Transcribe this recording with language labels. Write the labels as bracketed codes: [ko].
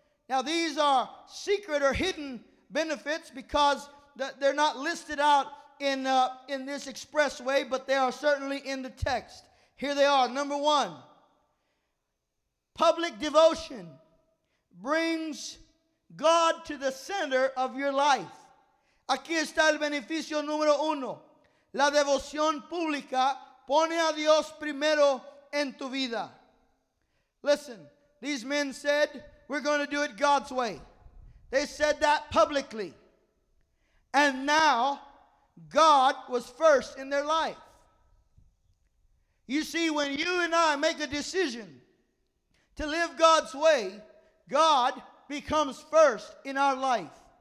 [en] Now, these are secret or hidden benefits because they're not listed out in this express way, but they are certainly in the text. Here they are. Number one, public devotion brings God to the center of your life. [es] Aquí está el beneficio número uno. La devoción pública pone a Dios primero en tu vida. [en] Listen, these men said, we're going to do it God's way. They said that publicly. And now, God was first in their life. You see, when you and I make a decision to live God's way, God becomes first in our life.